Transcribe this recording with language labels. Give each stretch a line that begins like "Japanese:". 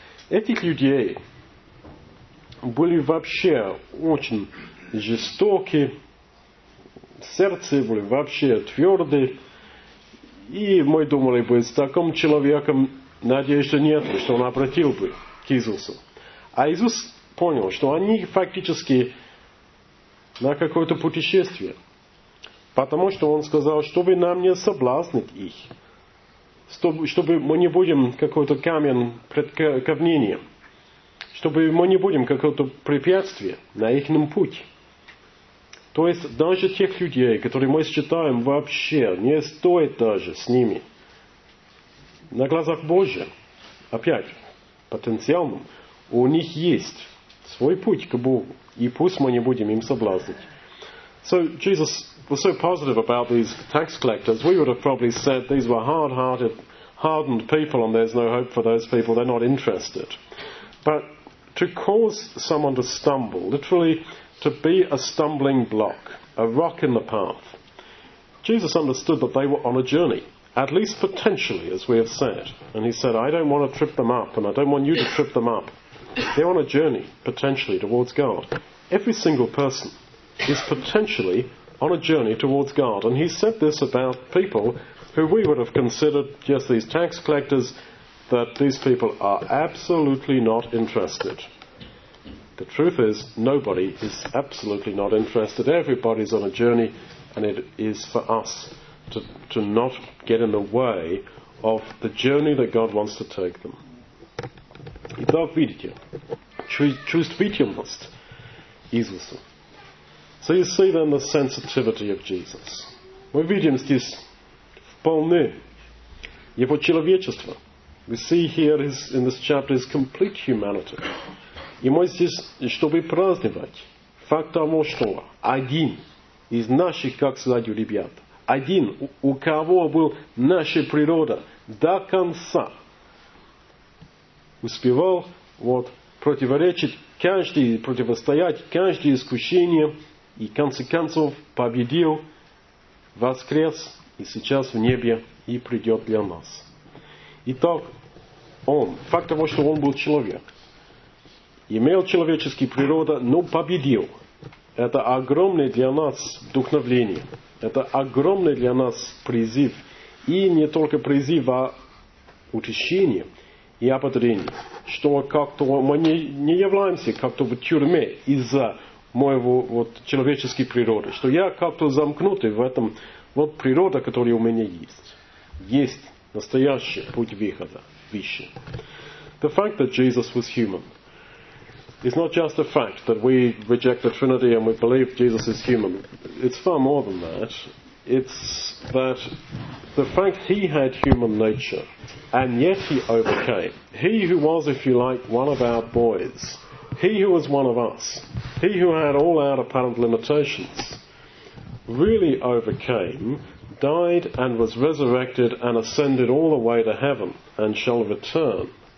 Russian: Этих людей были вообще очень жестоки, сердце были вообще твердые, и мы думали бы, с таким человеком надежды нет, что он обратил бы к Иисусу. А Иисус понял, что они фактически на какое-то путешествие. Потому что он сказал, чтобы нам не соблазнить их. Чтобы мы не будем какой-то камень пред ковнением. Чтобы мы не будем какое-то препятствие на их пути. То есть даже тех людей, которые мы считаем вообще, не стоит даже с ними. На глазах Божия, опять, потенциальным, у них есть свой путь к Богу. И пусть мы не будем им соблазнить.
English: So Jesus was so positive about these tax collectors, we would have probably said these were hard-hearted, hardened people and there's no hope for those people, they're not interested. But to cause someone to stumble, literally to be a stumbling block, a rock in the path, Jesus understood that they were on a journey, at least potentially, as we have said. And he said, I don't want to trip them up and I don't want you to trip them up. They're on a journey, potentially, towards God. Every single person is potentially on a journey towards God. And he said this about people who we would have considered just these tax collectors, that these people are absolutely not interested. The truth is, nobody is absolutely not interested. Everybody's on a journey, and it is for us to not get in the way of the journey that God wants to take them.
Russian: Итак, видите, чувствительность Иисуса.
English: So you see then the sensitivity of Jesus.
Russian: Мы видим здесь вполне его человечество.
English: We see here his, in this chapter his complete humanity.
Russian: И мы здесь, чтобы праздновать факт того, что один из наших, как сказать, ребят, один, у кого был наша природа до конца, успевал вот противоречить каждый, противостоять каждое искушение и в конце концов победил, воскрес и сейчас в небе и придет для нас. Итак, он, факт того, что он был человек, имел человеческую природу, но победил. Это огромное для нас вдохновение, это огромный для нас призыв, и не только призыв, а утешение. И ободрение, что как-то мы не являемся как-то в тюрьме из-за моего вот человеческой природы, что я как-то замкнутый в этом вот природа, которая у меня есть. Есть настоящий путь выхода, вещи.
English: The fact that Jesus was human is not just a fact that we reject the Trinity and we believe Jesus is human. It's far more than that. It's that the fact he had human nature and yet he overcame. He who was, if you like, one of our boys, he who was one of us, he who had all our apparent limitations, really overcame, died and was resurrected and ascended all the way to heaven and shall return.